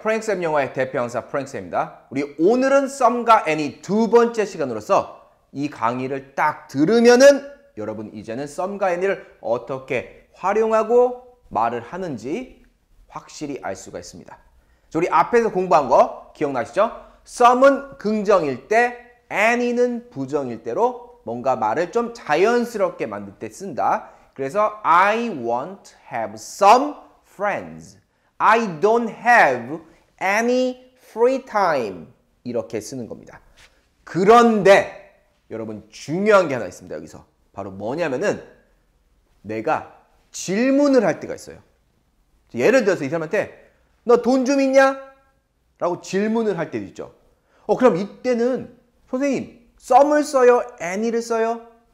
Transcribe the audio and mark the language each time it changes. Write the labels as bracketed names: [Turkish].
[Korean] 프랭크쌤 영화의 대표 강사 프랭크쌤입니다. 우리 오늘은 썸과 애니 두 번째 시간으로서 이 강의를 딱 들으면은 여러분 이제는 썸과 애니를 어떻게 활용하고 말을 하는지 확실히 알 수가 있습니다. 우리 앞에서 공부한 거 기억나시죠? 썸은 긍정일 때, 애니는 부정일 때로 뭔가 말을 좀 자연스럽게 만들 때 쓴다. [English] 그래서 I won't have some friends. I don't have any free time. [Korean] 이렇게 쓰는 겁니다. 그런데 여러분 중요한 게 하나 있습니다. 여기서 바로 뭐냐면은 내가 질문을 할 때가 있어요. 예를 들어서 이 사람한테 너 돈 좀 있냐? 라고 질문을 할 때도 있죠. 그럼 이때는 선생님 썸을 써요? 애니를 써요?